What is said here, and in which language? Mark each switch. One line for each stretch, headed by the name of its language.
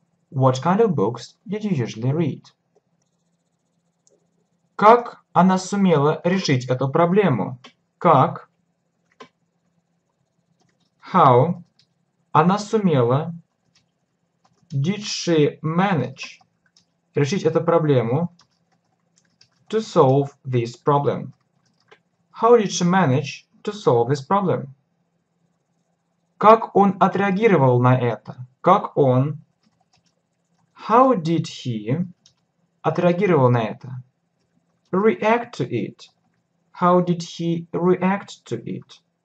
English: What kind of books did you usually read?
Russian: Как она сумела решить эту проблему? Как?
English: How?
Russian: Она сумела?
English: Did she manage
Russian: решить эту проблему?
English: To solve this problem. How did she manage to solve this problem?
Russian: Как он отреагировал на это? Как он?
English: How did he
Russian: отреагировал на это?
English: React to it. How did he react to it?